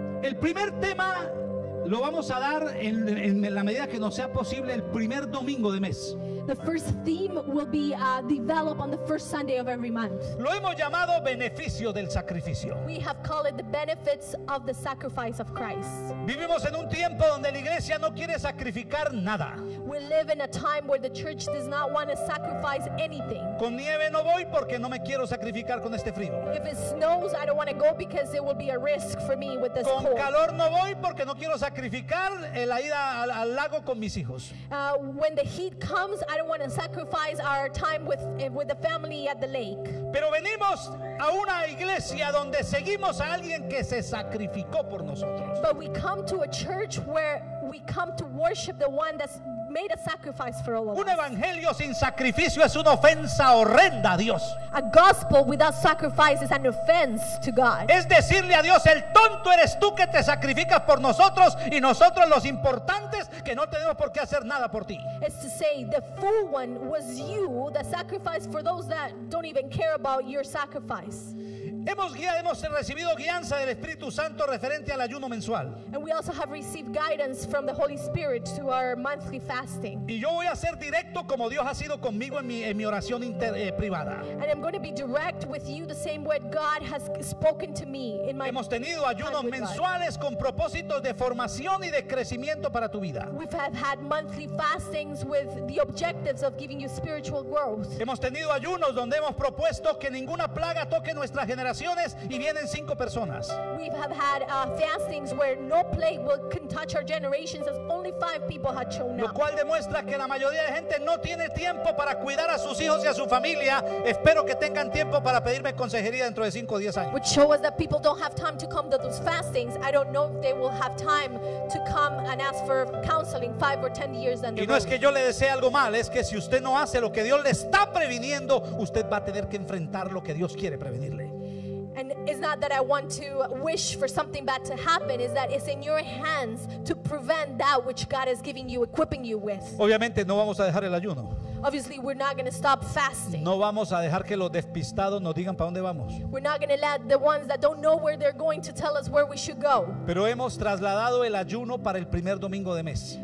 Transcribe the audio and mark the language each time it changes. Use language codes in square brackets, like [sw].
[es] El primer tema Lo vamos a dar en la medida que nos sea posible el primer domingo de mes. [en] The first theme will be developed on the first Sunday of every month. [es] Lo hemos llamado beneficio del sacrificio. [en] We have called it the benefits of the sacrifice of Christ. [es] Vivimos en un tiempo donde la iglesia no quiere sacrificar nada. [en] We live in a time where the church does not want to sacrifice anything. [es] Con nieve no voy porque no me quiero sacrificar con este frío. [en] If it snows, I don't want to go because it will be a risk for me with this [es] con [en] cold. [es] Con calor no voy porque no quiero sacrificar la ida al lago con mis hijos. [en] When the heat comes, I don't want to sacrifice our time with the family at the lake. [es] Pero venimos a una iglesia donde seguimos a alguien que se sacrificó por nosotros. [en] But we come to a church where we come to worship the one that's made a sacrifice for all of us. [es] Un evangelio sin sacrificio es una ofensa horrenda a Dios. [en] A gospel without sacrifice is an offense to God. [es] Es decirle a Dios, el tonto eres tú que te sacrificas por nosotros y nosotros los importantes que no tenemos por qué hacer nada por ti. [en] It's to say the fool one was you that sacrificed for those that don't even care about your sacrifice. [es] Hemos recibido guianza del Espíritu Santo referente al ayuno mensual. [en] And we also have received guidance from the Holy Spirit to our monthly fasting. [es] Y yo voy a ser directo como Dios ha sido conmigo en mi oración privada. [en] And I'm going to be direct with you the same way God has spoken to me in my. [es] Hemos tenido ayunos mensuales con propósitos de formación y de crecimiento para tu vida. [en] We have had monthly fastings with the objectives of giving you spiritual growth. [es] Hemos tenido ayunos donde hemos propuesto que ninguna plaga toque nuestra generación. Y vienen cinco personas. [en] We have had fastings where no plague will can touch our generations as only five people had shown up. [es] Lo cual demuestra que la mayoría de gente no tiene tiempo para cuidar a sus hijos y a su familia. Espero que tengan tiempo para pedirme consejería dentro de 5 o 10 años. [en] Which show us that people don't have time to come to those fastings. I don't know if they will have time to come and ask for counseling 5 or 10 years down the road. [es] Y no es que yo le desee algo mal, es que si usted no hace lo que Dios le está previniendo, usted va a tener que enfrentar lo que Dios quiere prevenirle. [en] And it's not that I want to wish for something bad to happen, is that it's in your hands to prevent that which God is giving you, equipping you with. [es] Obviamente no vamos a dejar el ayuno. [en] Obviously we're not going to stop fasting. [es] No vamos a dejar que los despistados nos digan para dónde vamos. [en] We're not going to let the ones that don't know where they're going to tell us where we should go. [es] Pero hemos trasladado el ayuno para el primer domingo de mes.